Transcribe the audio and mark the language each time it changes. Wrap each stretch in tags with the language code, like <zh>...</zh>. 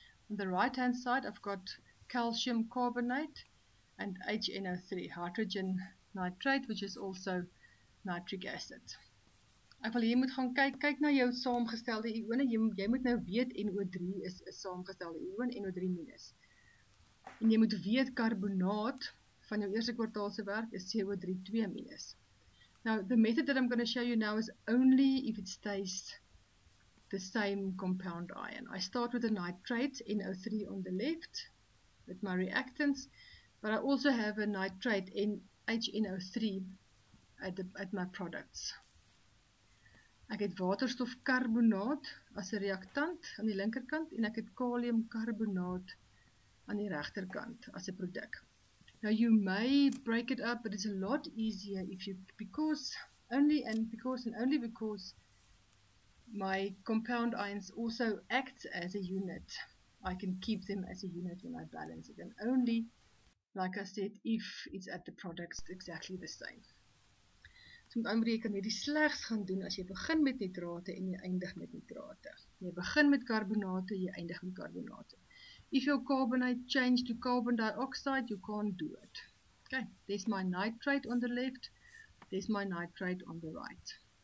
<en>On the right hand side I've got calcium carbonate and HNO3, hydrogen nitrate, which is also nitric acid.</en> <af>Ek wil hier moet gaan kyk na jou saamgestelde ione. Jy moet nou weet NO3 is 'n saamgestelde ion, NO3 minus. En jy moet weet karbonaat van jou eerste kwartaalse werk is CO3 2 minus.</af> <en>Now, the method that I'm going to show you now is only if it stays the same compound ion. I start with a nitrate, NO3 on the left, with my reactants, but I also have a nitrate, HNO3, at my products.</en> <af>Ek het waterstofkarbonaat as 'n reaktant aan die linkerkant, en ek het kaliumkarbonaat aan die regterkant as 'n produk.</af> <en>Now you may break it up, but it's a lot easier because my compound ions also act as a unit. I can keep them as a unit when I balance it, and only, like I said, if it's at the products exactly the same.</en> <af>So met andere, jy kan hierdie slegs gaan doen as jy begin met nitrate en jy eindig met nitrate. Jy begin met karbonate, jy eindig met karbonate.</af> <en>If your carbonate change to carbon dioxide, you can't do it. Okay, there's my nitrate on the left, there's my nitrate on the right.</en>